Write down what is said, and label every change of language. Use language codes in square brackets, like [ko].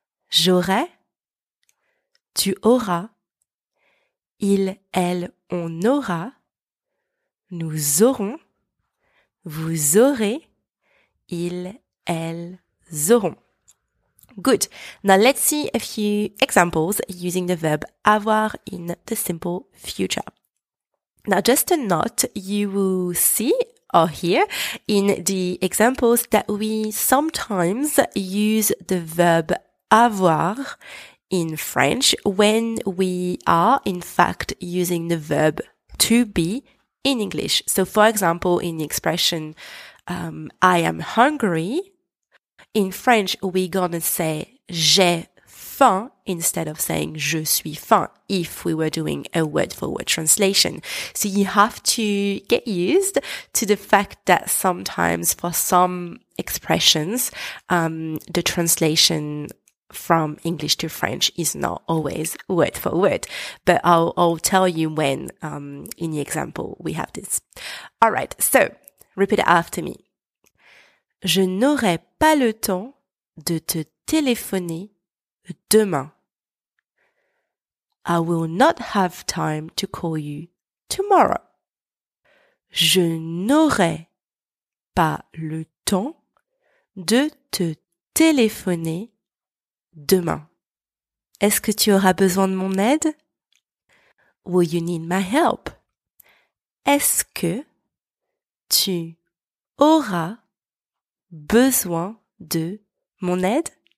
[fr] J'aurai, tu auras, il, elle, on aura, nous aurons, vous aurez, ils, elles auront. [en] Good. Now let's see a few examples using the verb avoir in the simple future. Now just a note, you will see or hear in the examples that we sometimes use the verb avoir in French when we are in fact using the verb to be in English. So for example, in the expression, I am hungry, in French, we're gonna say [fr] j'ai faim [en] instead of saying [fr] je suis faim [en] if we were doing a word-for-word translation. So you have to get used to the fact that sometimes for some expressions, the translation from English to French is not always word-for-word. But I'll tell you when in the example we have this. All right, so repeat after me. [fr] Je n'aurai pas le temps de te téléphoner demain. [en] I will not have time to call you tomorrow. [fr] Je n'aurai pas le temps de te téléphoner demain. Est-ce que tu auras besoin de mon aide? [en] Will you need my help? [fr] Est-ce que tu auras besoin de mon aide?